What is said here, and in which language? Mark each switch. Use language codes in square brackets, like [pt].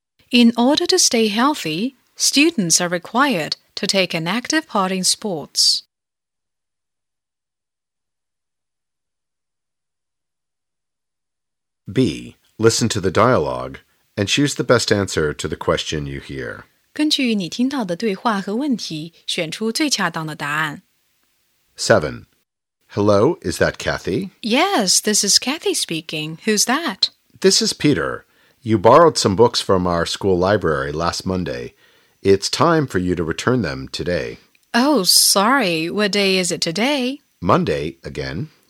[en] In order to stay healthy, students are required to take an active part in sports. B. Listen to the dialogue and choose the best answer to the question you hear. [zh] 根据你听到的对话和问题，选出最恰当的答案。 [en] 7. Hello, is that Kathy? Yes, this is Kathy speaking. Who's that? This is Peter. You borrowed some books from our school library last Monday. It's time for you to return them today. Oh, sorry. What day is it today? Monday, again.